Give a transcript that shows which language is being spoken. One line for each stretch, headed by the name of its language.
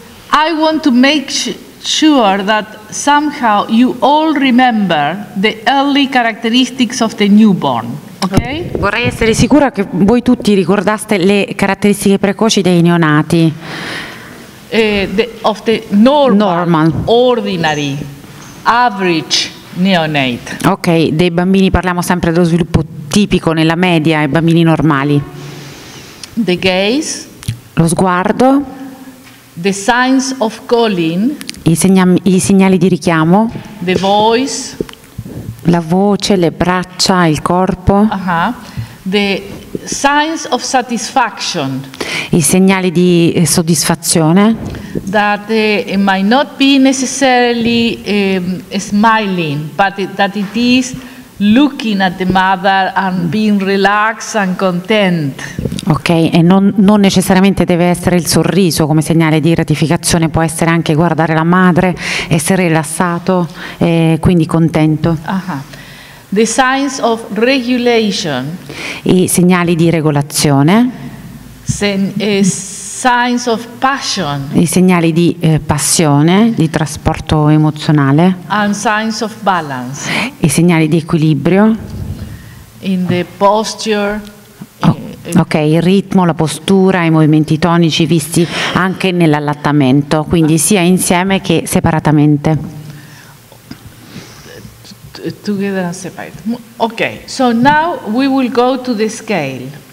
English: I want to make sure that somehow you all remember the early characteristics of the newborn. Okay?
Italian: Vorrei essere sicura che voi tutti ricordaste le caratteristiche precoci dei neonati.
English: Of the normal, ordinary, average neonate.
Italian: Ok, dei bambini parliamo sempre dello sviluppo tipico nella media, i bambini normali.
English: The gaze.
Italian: Lo sguardo.
English: The signs of calling.
Italian: I segnali di richiamo.
English: The voice.
Italian: La voce, le braccia, il corpo.
English: The signs of satisfaction.
Italian: I segnali di soddisfazione.
English: That it might not be necessarily smiling, but that it is looking at the mother and being relaxed and content.
Italian: Ok, e non necessariamente deve essere il sorriso come segnale di gratificazione, può essere anche guardare la madre, essere rilassato e quindi contento.
English: The signs of regulation.
Italian: I segnali di regolazione.
English: Signs of passion.
Italian: I segnali di passione, di trasporto emozionale.
English: And signs of balance.
Italian: I segnali di equilibrio.
English: In the posture.
Italian: Ok, il ritmo, la postura, i movimenti tonici visti anche nell'allattamento, quindi sia insieme che separatamente.
English: Together and separate. Ok, so now we will go to the scale.